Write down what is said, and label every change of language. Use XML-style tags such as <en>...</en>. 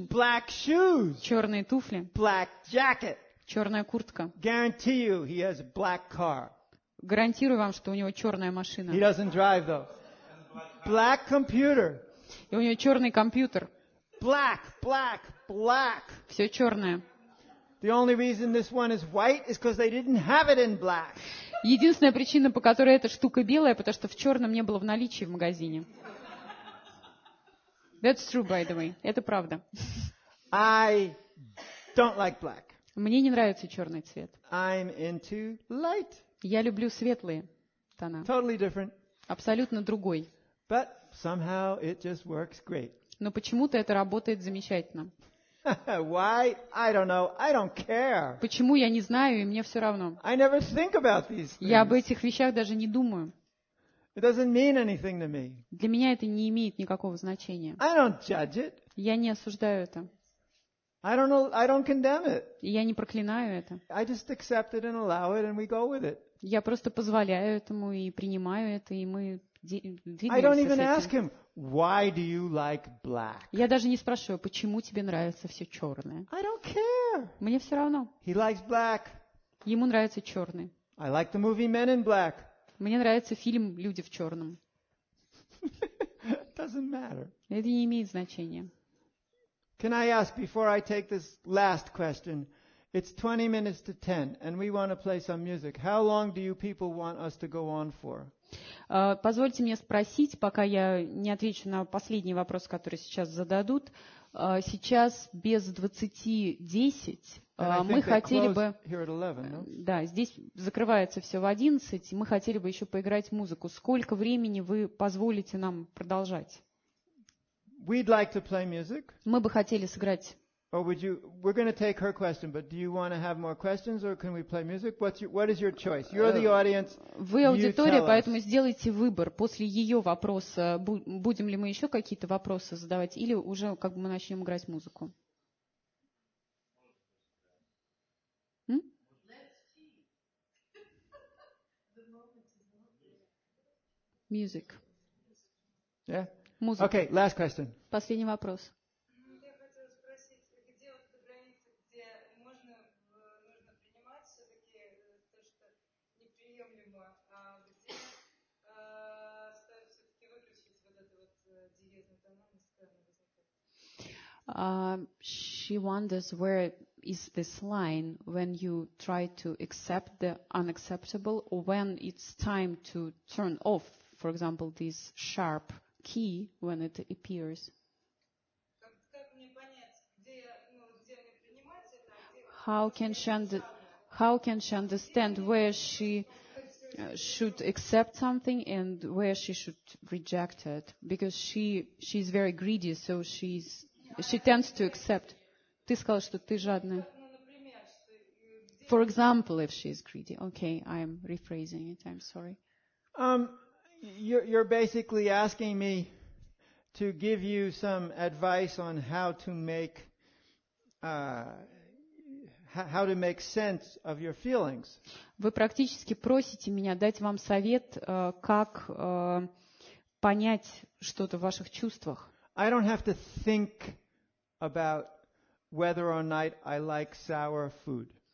<en>Black shoes.</en> <ru>Черные туфли.</ru> <en>Black jacket.</en> <ru>Черная куртка.</ru> <en>Guarantee you he has a black car.</en> <ru>Гарантирую вам, что у него черная машина.</ru> <en>He doesn't drive though. Black computer.</en> <ru>И у него черный компьютер.</ru> <en>Black, black, black.</en> <ru>Все черное.</ru> <en>The only reason this one is white is because they didn't have it in black.</en> <ru>Единственная причина, по которой эта штука белая, потому что в черном не было в наличии в магазине.</ru> <en>That's true, by the way.</en> <ru>Это правда.</ru> <en>I don't like black.</en> <ru>Мне не нравится черный цвет.</ru> <en>I'm into light.</en> <ru>Я люблю светлые тона.</ru> <en>Totally different.</en> <ru>Абсолютно другой.</ru> <en>But somehow it just works great.</en> <ru>Но почему-то это работает замечательно.</ru> <en>Why? I don't know. I don't care.</en> <ru>Почему, я не знаю, и мне все равно.</ru> <en>I never think about these things.</en> <ru>Я об этих вещах даже не думаю.</ru> <en>It doesn't mean anything to me.</en> <ru>Для меня это не имеет никакого значения.</ru> <en>I don't judge it.</en> <ru>Я не осуждаю это.</ru> <en>I don't know, I don't condemn it.</en> <ru>И я не проклинаю это.</ru> <en>I just accept it and allow it and we go with it.</en> <ru>Я просто позволяю этому и принимаю это, и мы двигаемся.</ru> <en>I don't even ask him, why do you like black?</en> <ru>Я даже не спрашиваю, почему тебе нравится все черное.</ru> <en>I don't care.</en> <ru>Мне все равно.</ru> <en>He likes black.</en> <ru>Ему нравится черный.</ru> <en>I like the movie Men in Black.</en> <ru>Мне нравится фильм «Люди в черном».</ru> <en>Doesn't matter.</en> <ru>Это не имеет значения.</ru> <en>Can I ask before I take this last question? It's 20 minutes to 10, and we want to play some music. How long do you people want us to go on for?</en> <ru>Позвольте мне спросить, пока я не отвечу на последний вопрос, который сейчас зададут. Сейчас без 20:10. Мы хотели бы...</ru> <en>11, no?</en> <ru>Да, здесь закрывается все в 11. Мы хотели бы еще поиграть музыку. Сколько времени вы позволите нам продолжать?</ru> <en>We'd like to play music.</en> <ru>Мы бы хотели сыграть...</ru> <en>Or would you... We're going to take her question, but do you want to have more questions or can we play music? What is your choice? You're the audience.</en> <ru>Вы аудитория, поэтому сделайте выбор. После ее вопроса, будем ли мы еще какие-то вопросы задавать или уже как бы мы начнем играть музыку?</ru> <en>Music. Yeah?</en> <ru>Музыка.</ru> <en>Okay, last question.</en> <ru>Последний вопрос.</ru> <en>She wonders where is this line when you try to accept the unacceptable or when it's time to turn off, for example, this sharp key when it appears.</en> <ru>Как мне понять, где, ну, где мне</ru> <en>how can she understand where she should accept something and where she should reject it? Because she's very greedy, so she tends to accept.</en> <ru>Ты сказала, что ты жадная.</ru> <en>For example, if she is greedy. Okay, I'm rephrasing it. I'm sorry. You're basically asking me to give you some advice on how to make sense of your feelings.</en> <ru>Вы практически просите меня дать вам совет, как понять что-то в ваших чувствах.</ru> <en>I don't have to think about whether or not I like sour food.</en>